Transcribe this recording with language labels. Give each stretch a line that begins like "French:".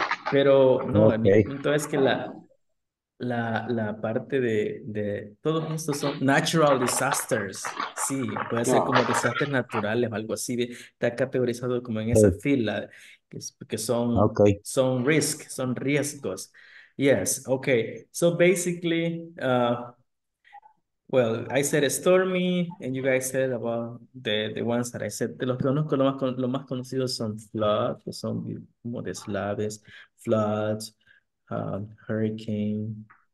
Spanish: Pero no, okay. Mi punto es que la parte de todos estos son
English: natural disasters.
Spanish: Sí, puede ser como desastres naturales o algo así. Está categorizado como en esa fila, que son, okay. Son riesgos. Yes, okay.
English: So basically, well, I said stormy, and you guys said about the ones that I said.
Spanish: De los que conozco, lo más conocidos son floods, que son como de slaves, floods, hurricane.